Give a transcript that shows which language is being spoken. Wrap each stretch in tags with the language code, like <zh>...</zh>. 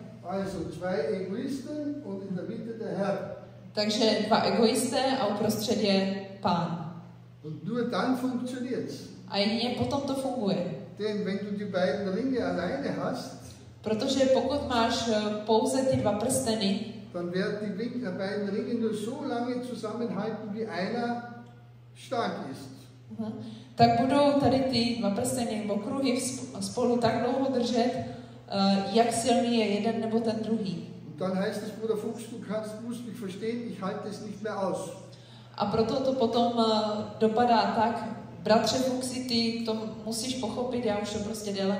<de>Also zwei Egoisten und in der Mitte der Herr.</de> <cs>Takže dva egoisté a uprostřed je Pán.</cs> <de>Und nur dann funktioniert's.</de> <cs>A jedině potom to funguje.</cs> <de>Denn wenn du die beiden Ringe alleine hast,</de> <cs>protože pokud máš pouze ty dva prsteny,</cs> <de>dann werden die beiden Ringe nur so lange zusammenhalten, wie einer stark ist.</de> <cs>Tak budou tady ty dva prsteny nebo kruhy spolu tak dlouho držet, jak silný je jeden nebo ten druhý.</cs> <de>Und dann heißt es, Bruder Fuchs, du kannst, musst mich verstehen, ich halte es nicht mehr aus.</de> <cs>A proto to potom dopadá tak, bratře Fuchsi, ty to musíš pochopit, já už to prostě déle</cs>